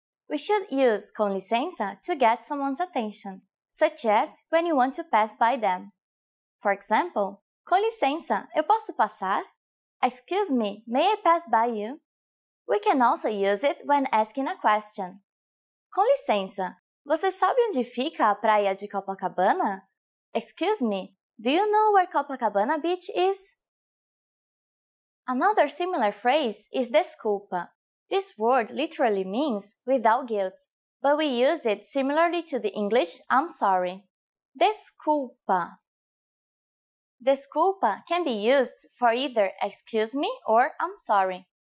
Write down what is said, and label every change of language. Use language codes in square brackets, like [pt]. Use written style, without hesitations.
[en] We should use com licença to get someone's attention, such as when you want to pass by them. For example, [pt] com licença, eu posso passar? [en] Excuse me, may I pass by you? We can also use it when asking a question. [pt] Com licença, você sabe onde fica a praia de Copacabana? [en] Excuse me, do you know where Copacabana Beach is? Another similar phrase is desculpa. This word literally means without guilt, but we use it similarly to the English I'm sorry. Desculpa. Desculpa can be used for either excuse me or I'm sorry.